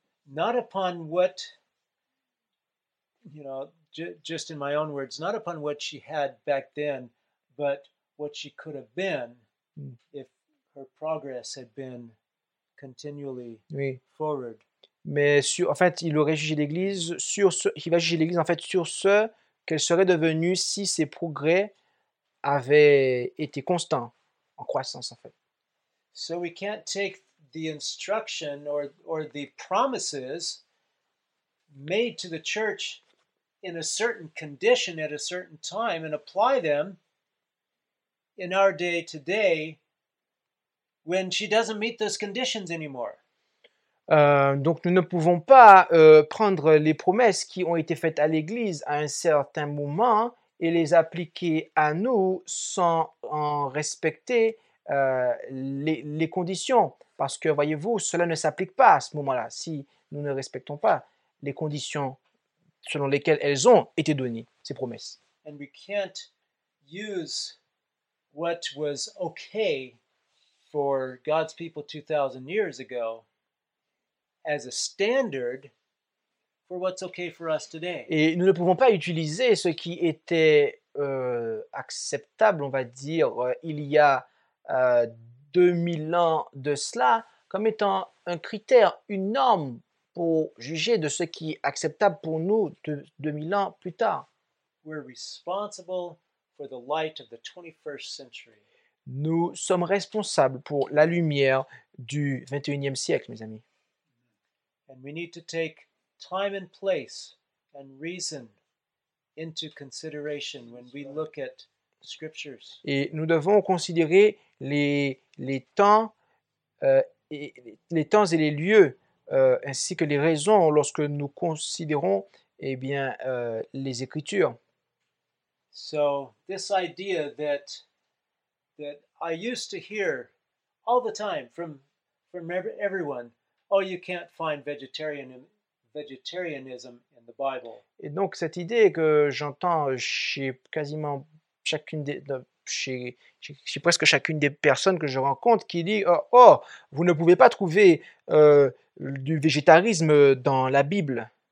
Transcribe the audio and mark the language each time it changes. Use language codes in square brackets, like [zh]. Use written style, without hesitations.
[en] Not upon what, you know, just in my own words, not upon what she had back then, but what she could have been if her progress had been continually forward. [fr] Il va juger l'Église en fait sur ce qu'elle serait devenue si ses progrès avaient été constants, en croissance en fait. [en] So we can't take the instruction or the promises made to the church in a certain condition at a certain time and apply them in our day to day when she doesn't meet those conditions anymore. [fr] Donc nous ne pouvons pas prendre les promesses qui ont été faites à l'Église à un certain moment et les appliquer à nous sans en respecter les conditions. Parce que, voyez-vous, cela ne s'applique pas à ce moment-là si nous ne respectons pas les conditions selon lesquelles elles ont été données, ces promesses. [en] And we can't use what was okay for God's people 2,000 years ago as a standard for what's okay for us today. [fr] Et nous ne pouvons pas utiliser ce qui était acceptable, on va dire, il y a 2000 ans de cela, comme étant un critère, une norme pour juger de ce qui est acceptable pour nous 2000 ans plus tard. [en] We're responsible for the light of the 21st century. [fr] Nous sommes responsables pour la lumière du 21e siècle, mes amis. [en] And we need to take time and place and reason into consideration when we look at scriptures. [fr] Et nous devons considérer les temps et les lieux ainsi que les raisons lorsque nous considérons les écritures. [en] So this idea that I used to hear all the time from everyone, oh, you can't find vegetarianism in the Bible. [fr] Et donc cette idée que j'entends chez quasiment chez presque chacune des personnes que je rencontre qui dit oh, vous ne pouvez pas trouver du végétarisme dans la Bible.